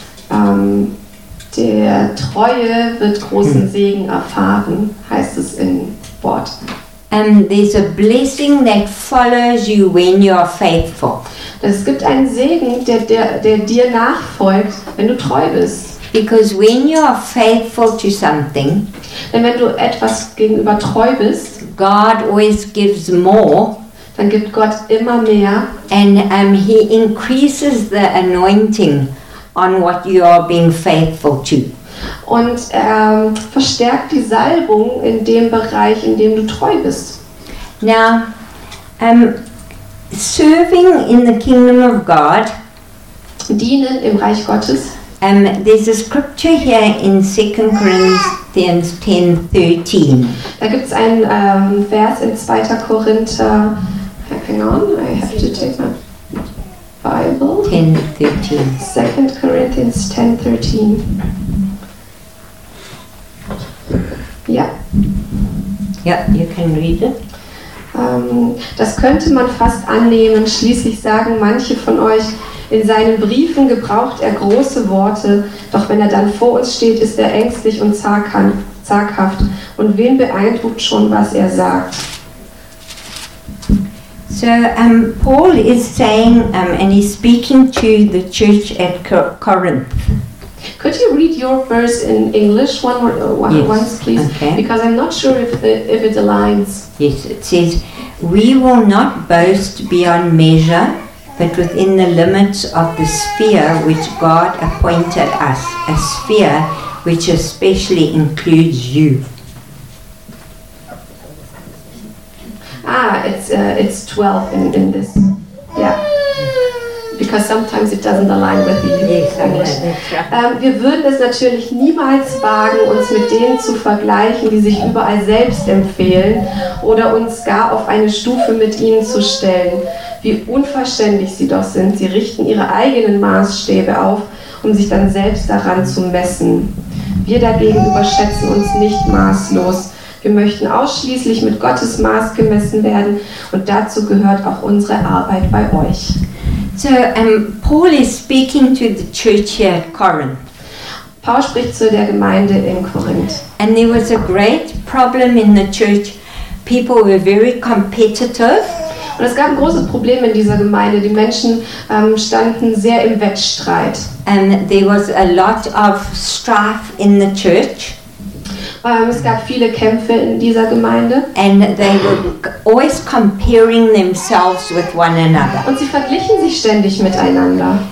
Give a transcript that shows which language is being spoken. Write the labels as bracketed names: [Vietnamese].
[German] Der Treue wird großen Segen erfahren, heißt es im Wort. [English] There's a blessing that follows you when you are faithful. [German] Es gibt einen Segen, der dir nachfolgt, wenn du treu bist. [English] Because when you are faithful to something, [German] denn wenn du etwas gegenüber treu bist, [English] God always gives more. [German] Dann gibt Gott immer mehr. [English] And he increases the anointing on what you are being faithful to. [German] Und verstärkt die Salbung in dem Bereich, in dem du treu bist. [English] Now, serving in the kingdom of God, [German] dienen im Reich Gottes. [English] There's a scripture here in 2 Corinthians 10:13. [German] Da gibt's einen Vers in 2. Korinther. [English] Hang on, I have to take my Bible. 10:13. 2 Corinthians 10:13. Yeah. Yeah, you can read it. [German] Das könnte man fast annehmen, schließlich sagen manche von euch, in seinen Briefen gebraucht er große Worte, doch wenn er dann vor uns steht, ist er ängstlich und zaghaft. Und wen beeindruckt schon, was er sagt? [English] So, Paul is saying, and he's speaking to the church at Corinth. Could you read your verse in English once, please? Okay. Because I'm not sure if it aligns. Yes, it says, "We will not boast beyond measure, but within the limits of the sphere which God appointed us, a sphere which especially includes you." Ah, it's 12 in this. Yeah. Because sometimes it doesn't align with the English. Yes, okay. [German] Wir würden es natürlich niemals wagen, uns mit denen zu vergleichen, die sich überall selbst empfehlen oder uns gar auf eine Stufe mit ihnen zu stellen. Wie unverständlich sie doch sind. Sie richten ihre eigenen Maßstäbe auf, um sich dann selbst daran zu messen. Wir dagegen überschätzen uns nicht maßlos. Wir möchten ausschließlich mit Gottes Maß gemessen werden und dazu gehört auch unsere Arbeit bei euch. [English] So, Paul is speaking to the church here at Corinth. [German] Paul spricht zu der Gemeinde in Korinth. [English] And there was a great problem in the church. People were very competitive. [German] Und es gab ein großes Problem in dieser Gemeinde. Die Menschen standen sehr im Wettstreit. [English] And there was a lot of strife in the church. [German] Es gab viele Kämpfe in dieser Gemeinde. [English] And they were always comparing themselves with one another. [German] Und sie verglichen sich ständig miteinander.